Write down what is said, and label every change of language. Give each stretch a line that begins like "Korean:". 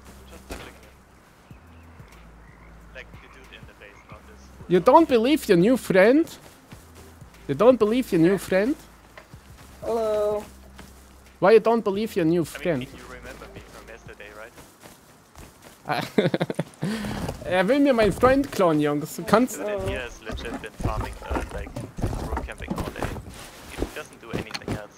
English: Just click him. Like the dude in the base, not this. You don't believe your new friend? You don't believe your new friend? Hello. Why you don't believe your new friend? I mean, you remember me from yesterday, right?
German: Er will mir meinen Freund klauen, Jungs. Kannst du...
English: He has legit been farming, like, road camping all day. He doesn't do anything else.